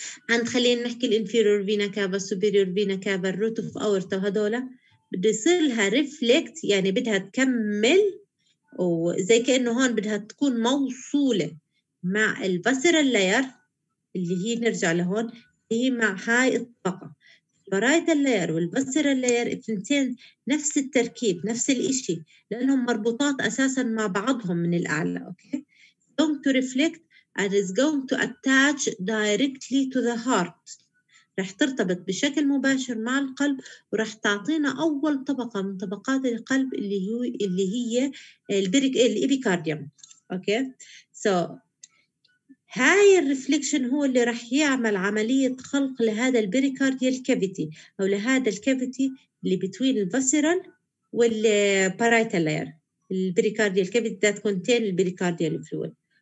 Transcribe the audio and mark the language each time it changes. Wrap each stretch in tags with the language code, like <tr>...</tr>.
<ar>عند خلينا نحكي الانفيرور فينا كابا السوبيريور فينا كابا</ar> <en>root of aorta</en> <ar>وهدولة بده يصير لها reflect يعني بدها تكمل وزي كأنه هون بدها تكون موصولة مع الفاسيرال لاير اللي هي نرجع لهون هي مع هاي الطبقة البرايتل لاير والفاسيرال لاير الاثنين نفس التركيب نفس الإشي لأنهم مربوطات أساساً مع بعضهم من الأعلى.</ar> <en>Okay. Going to reflect and is going to attach directly to the heart.</en> <ar>رح ترتبط بشكل مباشر مع القلب ورح تعطينا أول طبقة من طبقات القلب اللي هي الإبيكارديوم.</ar> <en>Okay. So</en> <ar>هاي الريفليكشن هو اللي رح يعمل عملية خلق لهذا البريكارديال كافيتي أو لهذا الكافيتي اللي بتوين الفاسيرال والبارايتال لاير البريكارديال كافيتي ذات كونتين البريكارديال فلويد.</ar>